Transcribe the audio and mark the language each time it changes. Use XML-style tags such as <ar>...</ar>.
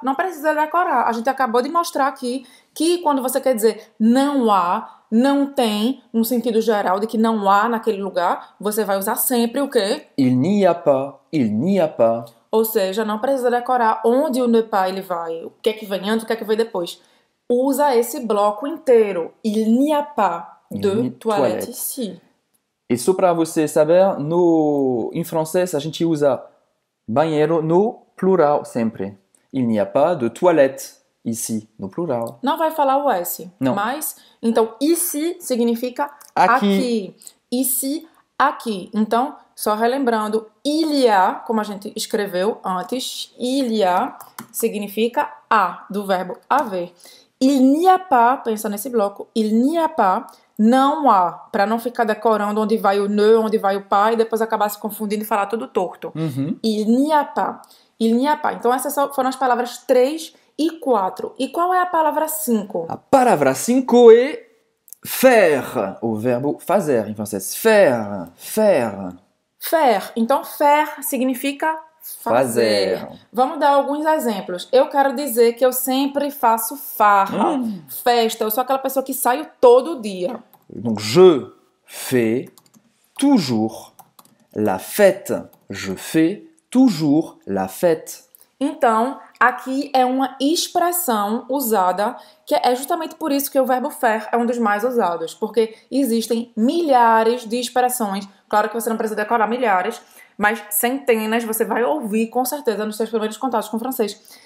<pt>Não precisa decorar. A gente acabou de mostrar aqui que quando você quer dizer não há, não tem, no sentido geral de que não há naquele lugar, você vai usar sempre o quê?</pt> <fr>Il n'y a pas, il n'y a pas.</fr> <pt>Ou seja, não precisa decorar onde o ne pas ele vai, o que é que vem antes, o que é que vem depois. Usa esse bloco inteiro.</pt> <fr>Il n'y a pas de toilette ici.</fr> <pt>Et só para você saber, no, em francês a gente usa banheiro no plural sempre.</pt> <fr>Il n'y a pas de toilette ici,</fr> <pt>no plural. Não vai falar o S. Não. Mas, então, ici significa aqui. Ici, aqui. Então, só relembrando, il y a, como a gente escreveu antes, il y a significa a, do verbo haver.</pt> <fr>Il n'y a pas,</fr> <pt>pensa nesse bloco, il n'y a pas, não há, para não ficar decorando onde vai o ne, onde vai o pas, e depois acabar se confundindo e falar tudo torto. Uhum.</pt> <fr>Il n'y a pas. Il n'y a pas.</fr> <pt>Então, essas foram as palavras 3 e 4. E qual é a palavra 5? A palavra 5 é faire, o verbo fazer em francês.</pt> <fr>Faire, faire. Faire.</fr> <pt>Então, faire significa fazer. Vamos dar alguns exemplos. Eu quero dizer que eu sempre faço farra, festa. Eu sou aquela pessoa que saio todo dia.</pt> <fr>Donc, je fais toujours la fête. Je fais toujours la fête.</fr> <pt>Então, aqui é uma expressão usada, que é justamente por isso que o verbo faire é um dos mais usados. Porque existem milhares de expressões. Claro que você não precisa decorar milhares, mas centenas você vai ouvir com certeza nos seus primeiros contatos com o francês.</pt>